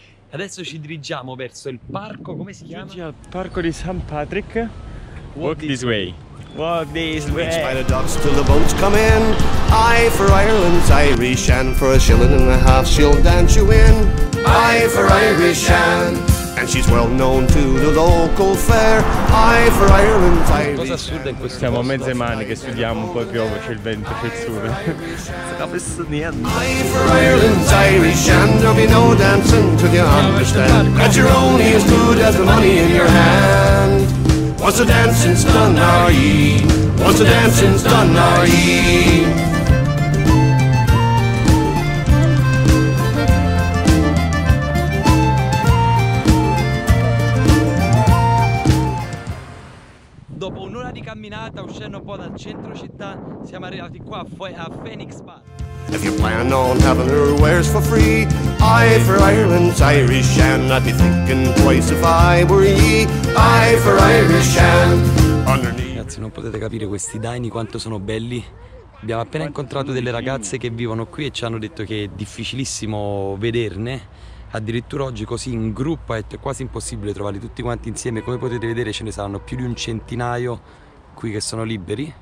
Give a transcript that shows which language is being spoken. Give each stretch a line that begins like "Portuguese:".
Italian: Adesso ci dirigiamo verso il parco, come si chiama? Al parco di St. Patrick.
English: Walk this way. Walk this way. Reach by the docks till the boats come in. I for Ireland's Irish, and for a shilling and a half she'll dance you in. I for Irish Anne, and she's well known to the local fair. I for Ireland's Irish.
Italian: Cosa assurda in questo. Siamo a mezze maniche, studiamo, poi piove, c'è il vento, c'è il sole.
English: I for Ireland's Irish, and there'll be no dancing till you understand that you're only as good as the money in your hand. Once the dancing's done, are ye? Once the dancing's done, are ye?
Italian: Dopo un'ora di camminata, uscendo un po' dal centro città, siamo arrivati qua a Phoenix Park.
English: If you plan on having her wares for free, I for Ireland's Irish Anne, I'd be thinking twice if I were ye. I for Irish Anne.
Italian: Ragazzi, non potete capire questi daini quanto sono belli. Abbiamo appena incontrato delle ragazze che vivono qui e ci hanno detto che è difficilissimo vederne. Addirittura oggi così in gruppo è quasi impossibile trovarli tutti quanti insieme. Come potete vedere ce ne saranno più di un centinaio qui che sono liberi.